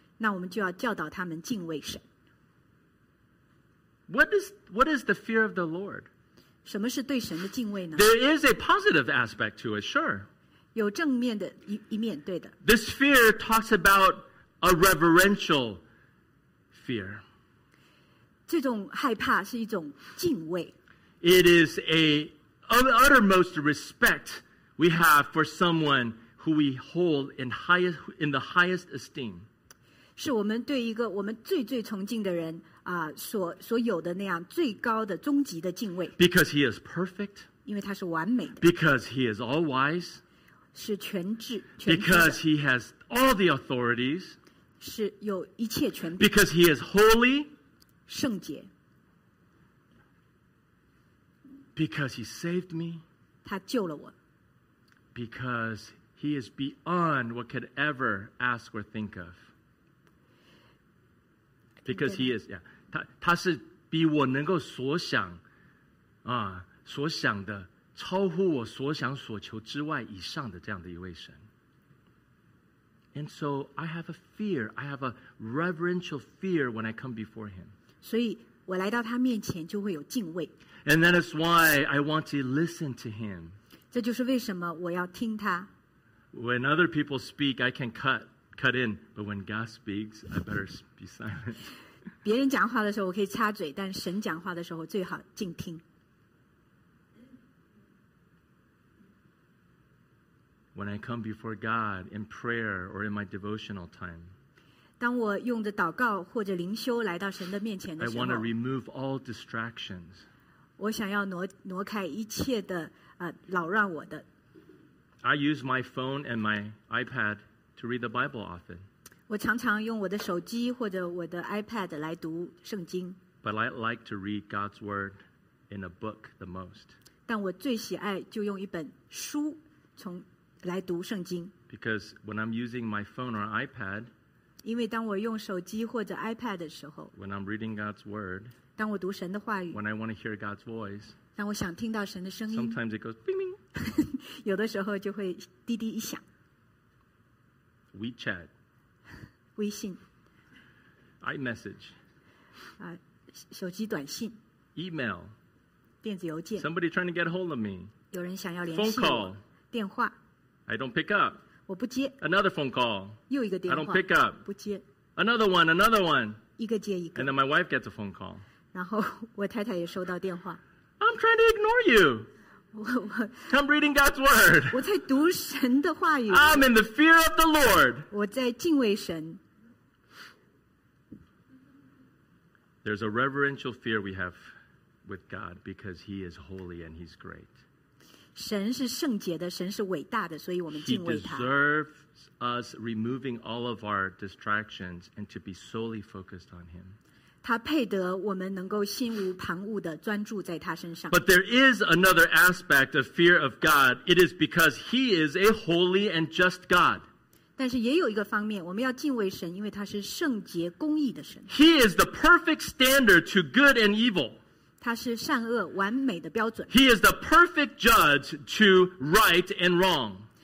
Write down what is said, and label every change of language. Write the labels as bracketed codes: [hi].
[zh] 那我们就要教导他们敬畏神。 [en] What is the fear of the Lord? [zh] 什么是对神的敬畏呢? [en] There is a positive aspect to it, sure. [zh] 有正面的一面，对的。 [en] This fear talks about a reverential fear. [zh] 这种害怕是一种敬畏。 [en] It is an uttermost respect we have for someone who we hold in the highest esteem. [zh] 是我们对一个我们最最崇敬的人所有的那样最高的终极的敬畏。 [en] Because he is perfect. [zh] 因为他是完美的。 [en] Because he is all wise. [zh] 是全智。 [en] Because he has all the authorities. [zh] 是有一切权柄。 [en] Because he is holy. [zh] 圣洁。 [en] Because he saved me. [zh] 他救了我。 [en] Because he is beyond what could ever ask or think of. Because he is, yeah. [zh] 他是比我能够所想所想的超乎我所想所求之外以上的这样的一位神。 [en] And so I have a fear, I have a reverential fear when I come before him. [zh] 所以我来到他面前就会有敬畏。 [en] And that is why I want to listen to him. [zh] 这就是为什么我要听他。 [en] When other people speak, I can cut in, but when God speaks, I better be silent. [zh] 别人讲话的时候我可以插嘴，但神讲话的时候最好静听。 [en] When I come before God in prayer or in my devotional time, [zh] 当我用着祷告或者灵修来到神的面前的时候， [en] I want to remove all distractions. [zh] 我想要挪开一切的扰乱我的。 [en] I use my phone and my iPad. To read the Bible often. [zh] 我常常用我的手机或者我的 iPad 来读圣经。 [en] But I like to read God's word in a book the most. [zh] 但我最喜爱就用一本书从来读圣经。 [en] Because when I'm using my phone or iPad, [zh] 因为当我用手机或者 iPad 的时候， [en] when I'm reading God's word, [zh] 当我读神的话语， [en] when I want to hear God's voice, [zh] 当我想听到神的声音， [en] sometimes it goes bing bing. [zh] 有的时候就会滴滴一响。 [en] WeChat, [zh] 微信 [en] ，iMessage, [zh] 手机短信 [en] ，email, [zh] 电子邮件 [en] ，somebody trying to get hold of me, [zh] 有人想要联系 [en] ，phone call, [zh] 电话 [en] ，I don't pick up, [zh] 我不接 [en] ，another phone call, [zh] 又一个电话 [en] ，I don't pick up, [zh] 不接 [en] ，another one, [zh] 一个接一个 [en] ，and then my wife gets a phone call, [zh] 然后我太太也收到电话 [en] ，I'm trying to ignore you. I'm reading God's word. [zh] 我在读神的话语。 [en] I'm in the fear of the Lord. [zh] 我在敬畏神。 [en] There's a reverential fear we have with God because He is holy and He's great. [zh] 神是圣洁的，神是伟大的，所以我们敬畏他。 [en] He deserves us removing all of our distractions and to be solely focused on Him. [zh] 他配得我们能够心无旁骛地专注在他身上。 [en] But there is another aspect of fear of God. It is because he is a holy and just God. [zh] 但是也有一个方面，我们要敬畏神，因为他是圣洁公义的神。 [en] He is the perfect standard to good and evil. [zh] 他是善恶完美的标准。 [en] He is the perfect judge to right and wrong.